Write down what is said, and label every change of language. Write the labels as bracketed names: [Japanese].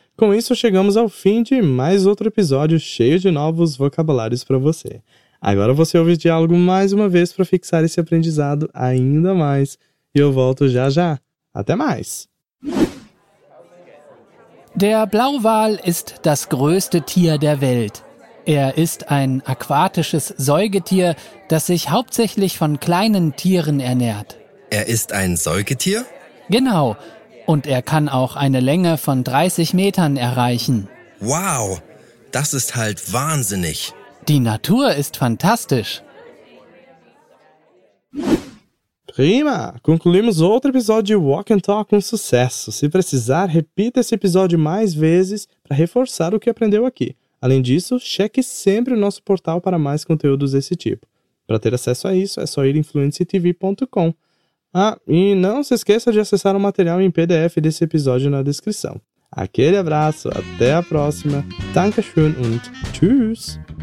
[Portuguese] Com isso, chegamos ao fim de mais outro episódio cheio de novos vocabulários para você. Agora você ouve o diálogo mais uma vez para fixar esse aprendizado ainda mais. E eu volto já já. Até mais! [German] Der Blauwal ist das größte Tier der Welt. Er ist ein aquatisches Säugetier, das sich hauptsächlich von kleinen Tieren ernährt. Er ist ein Säugetier? Genau. Und er kann auch eine Länge von 30 Metern erreichen. Wow, das ist halt wahnsinnig. Die Natur ist fantastisch. Prima! [Portuguese] Concluímos outro episódio de Walk and Talk com sucesso. Se precisar, repita esse episódio mais vezes para reforçar o que aprendeu aqui. Além disso, cheque sempre o nosso portal para mais conteúdos desse tipo. Para ter acesso a isso, é só ir em fluencytv.com. Ah, e não se esqueça de acessar o material em PDF desse episódio na descrição. Aquele abraço, até a próxima. [German] Dankeschön und tschüss!